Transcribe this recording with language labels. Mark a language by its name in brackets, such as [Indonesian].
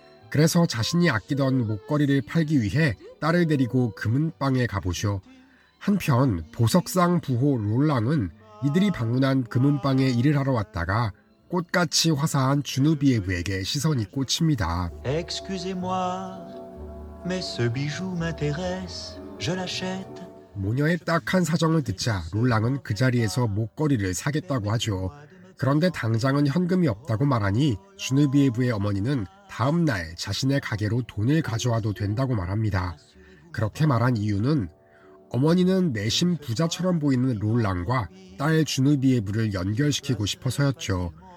[Korean] 그래서 자신이 아끼던 목걸이를 팔기 위해 딸을 데리고 금은방에 가보죠. 한편 보석상 부호 롤랑은 이들이 방문한 금은방에 일을 하러 왔다가 꽃같이 화사한 주누비에브에게 시선이 꽂힙니다. [French] Excusez-moi, mais ce bijou m'intéresse, je l'achète. [Korean] 모녀의 딱한 사정을 듣자 롤랑은 그 자리에서 목걸이를 사겠다고 하죠. 그런데 당장은 현금이 없다고 말하니 주누비에브의 어머니는 다음 날 자신의 가게로 돈을 가져와도 된다고 말합니다. 그렇게 말한 이유는 어머니는 내심 부자처럼 보이는 롤랑과 딸 주누비에브를 연결시키고 싶어서였죠.